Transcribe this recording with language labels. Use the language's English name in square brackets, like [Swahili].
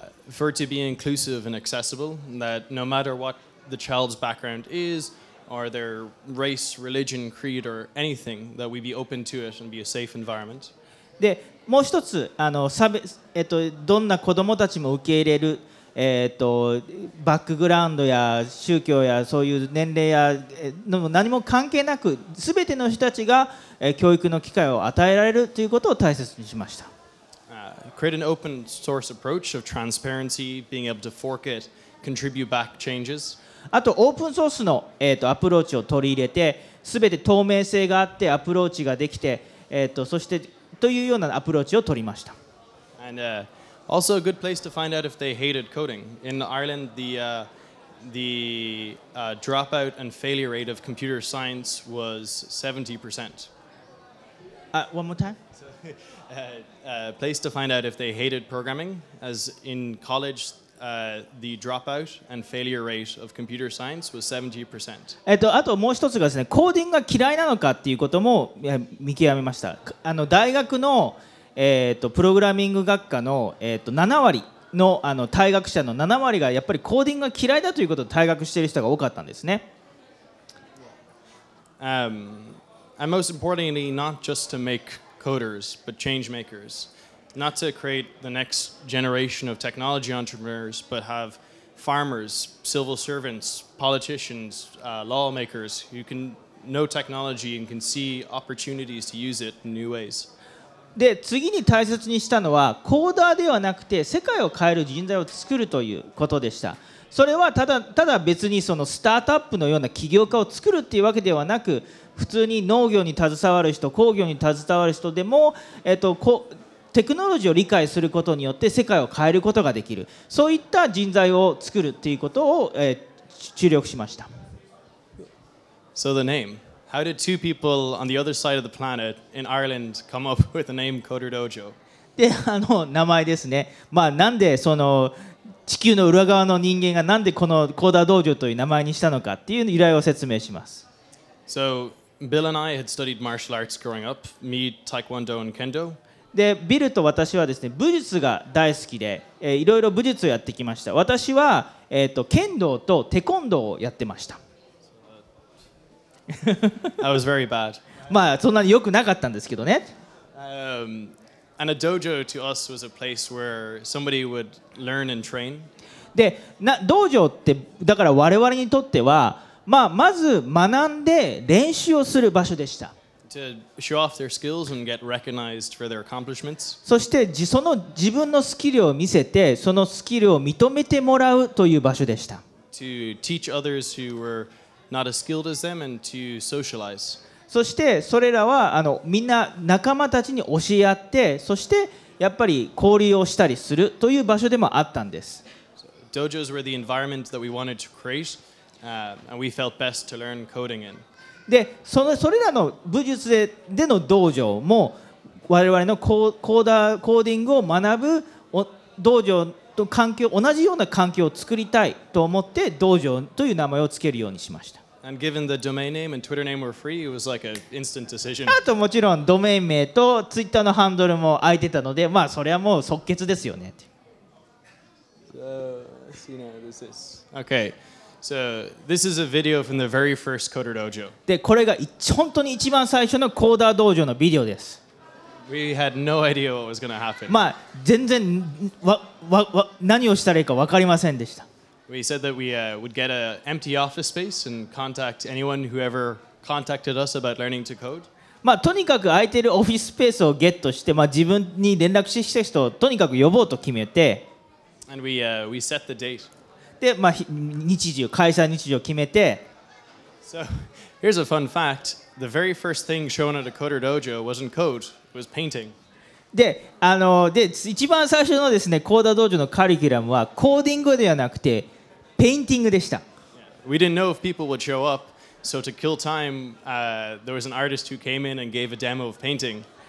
[English] For it to be inclusive and accessible, that no matter what the child's background is, or their race, religion, creed, or anything, that we be open to it and be a safe environment. [Japanese] で、もう一つ、どんな子どもたちも受け入れる。バックグラウンドや宗教やそういう年齢や何も関係なく全ての人たちが教育の機会を与えられるということを大切にしました。 [English] Create an open source approach of transparency, being able to fork it, contribute back changes. [Japanese] あとオープンソースの、アプローチを取り入れて全て透明性があってアプローチができて、そしてというようなアプローチを取りました。 [English] And, Also, a good place to find out if they hated coding. In Ireland, the dropout and failure rate of computer science was 70%. One more time. Place to find out if they hated programming, as in college, the dropout and failure rate of computer science was 70%. [Japanese] あともう一つがですね、コーディングが嫌いなのかっていうことも見極めました。大学のプログラミング学科の、7割の、退学者の7割がやっぱりコーディングが嫌いだということを退学している人が多かったんですね。 [English] And most importantly, not just to make coders, but change makers. Not to create the next generation of technology entrepreneurs, but have farmers, civil servants, politicians, lawmakers who can know technology and can see opportunities to use it in new ways. [Japanese] で次に大切にしたのはコーダーではなくて世界を変える人材を作るということでした。それはただ別にそのスタートアップのような起業家を作るっていうわけではなく、普通に農業に携わる人、工業に携わる人でも、テクノロジーを理解することによって世界を変えることができる。そういった人材を作るっていうことを、注力しました。 [English] So the name. How did two people on the other side of the planet in Ireland come up with the name CoderDojo? [Japanese] で、名前ですね。まあ、なんでその地球の裏側の人間がなんでこのコーダードージョという名前にしたのかっていう由来を説明します。 [English] So, Bill and I had studied martial arts growing up, me, Taekwondo and Kendo. [Japanese] で、ビルと私はですね、武術が大好きで、いろいろ武術をやってきました。私は、剣道とテコンドーをやってました。 [English] I was very bad. [Japanese] まあそんなに良くなかったんですけどね。 [English] And a dojo to us was a place where somebody would learn and train. [Japanese] で、道場ってだから我々にとっては、まあ、まず学んで練習をする場所でした。 [English] To show off their skills and get recognized for their accomplishments. [Japanese] そして、その自分のスキルを見せて、そのスキルを認めてもらうという場所でした。 [English] To teach others who were not as skilled as them and to socialize. [Japanese] そして、それらはみんな仲間たちに教え合って、そしてやっぱり交流をしたりするという場所でもあったんです。 [English] So, dojos were the environment that we wanted to create, and we felt best to learn coding in. [Japanese] で、それらの武術での道場も我々のコーディングを学ぶ道場と環境同じような環境を作りたいと思って道場という名前をつけるようにしました。 [English] And given the domain name and Twitter name were free, it was like an instant decision. [Japanese] あともちろんドメイン名とツイッターのハンドルも空いてたので、まあそれはもう即決ですよねって。 [English] So, you know, this is... Okay. So, this is a video from the very first Coder Dojo. [Japanese] で、これが本当に一番最初のコーダー道場のビデオです。 [English] We had no idea what was going to happen. [Japanese] まあ、全然何をしたらいいか分かりませんでした。 [English] We said that we would get an empty office space and contact anyone who ever contacted us about learning to code. [Japanese] まあ、とにかく空いてるオフィススペースをゲットして、まあ、自分に連絡した人をとにかく呼ぼうと決めて。 [English] And we set the date. [Japanese] で、まあ、日時を、開催日時を決めて。 [English] So, here's a fun fact. The very first thing shown at a Coder Dojo wasn't code, it was painting. [Japanese] で、で、一番最初のですね、コーダー道場のカリキュラムは、コーディングではなくて、ペインティングでした。 [English] Yeah. We didn't know if people would show up, so to kill time, there was an artist who came in and gave a demo of painting.